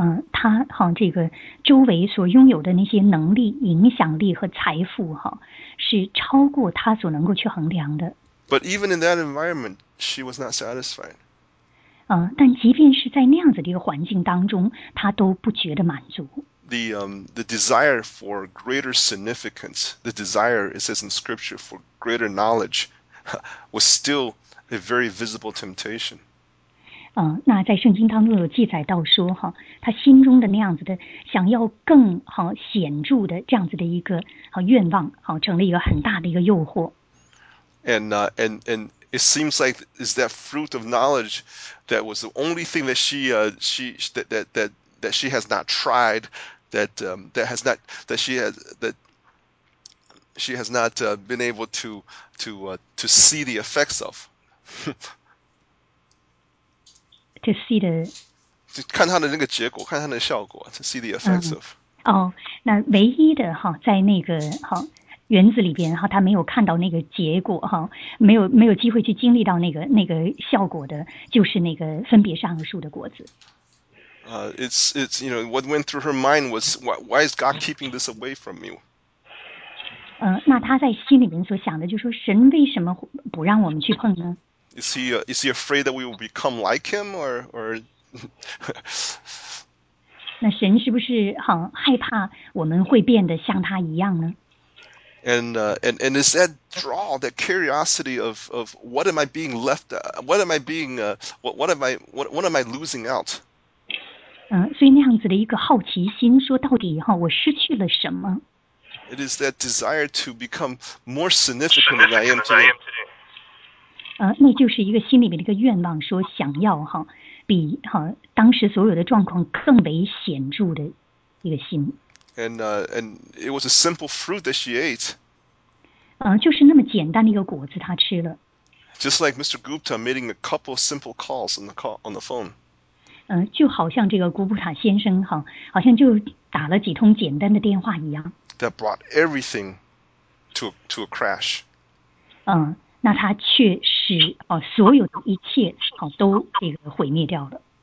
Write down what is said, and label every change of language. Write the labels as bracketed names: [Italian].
[Chinese] 他这个周围所拥有的那些能力、影响力和财富是超过他所能够去衡量的。 [English] But even in that environment, she was not satisfied. [Chinese] 但即便是在那样子的一个环境当中，她都不觉得满足。 [English] The desire for greater significance, the desire, it says in scripture, for greater knowledge, was still a very visible temptation. [Chinese] 那在圣经当中有记载到说，她心中的那样子的想要更显著的这样子的一个愿望，成了一个很大的一个诱惑。 [English] And it seems like is that fruit of knowledge that was the only thing that she has not tried, been able to see the effects of. To see the. [Chinese] 就看它的那个结果，看它的效果 ， [English] to see the effects of. [Chinese] 那唯一的在那个园子里边他没有看到那个结果没有机会去经历到那个效果的就是那个分别善恶树的果子。 [English] It's you know, what went through her mind was, why is God keeping this away from me? [Chinese] 那他在心里面所想的就是说神为什么不让我们去碰呢？ [English] Is he afraid that we will become like him or [Chinese] 那神是不是害怕我们会变得像他一样呢？ [English] And is that draw, that curiosity of what am I being left, what am I being, what am I losing out? [Chinese] 所以那样子的一个好奇心说到底我失去了什么。 [English] It is that desire to become more significant than I am today. [Chinese] 那就是一个心里面的一个愿望说想要比当时所有的状况更为显著的一个心。 [English] And it was a simple fruit that she ate. [Chinese] 就是那么简单的一个果子她吃了。 [English] Just like Mr. Gupta making a couple of simple calls on the phone. [Chinese] 就好像这个古普塔先生好像就打了几通简单的电话一样。 [English] That brought everything to a crash. [Chinese] 那他却使所有的一切都这个毁灭掉了。